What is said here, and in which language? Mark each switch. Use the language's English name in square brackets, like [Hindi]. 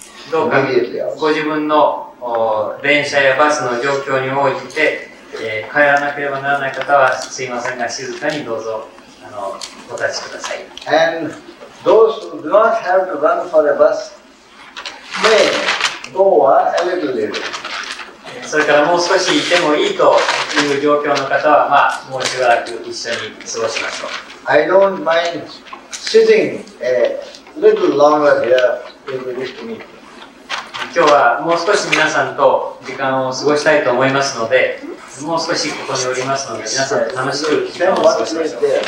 [Japanese] どうかご自分の電車やバスの状況に応じて、帰らなければならない方はすいませんが、静かにどうぞお立ちください。 [English] And those who do not have to run for the bus may go a little bit。 [Japanese] それからもう少しいてもいいという状況の方は、まあ、もうしばらく一緒に過ごしましょう。 [English] I don't mind sitting a little longer here if you wish to meet。 [Japanese] 今日はもう少し皆さんと時間を過ごしたいと思いますので、もう少しここにおりますので、皆さん楽しく時間を過ごしましょう。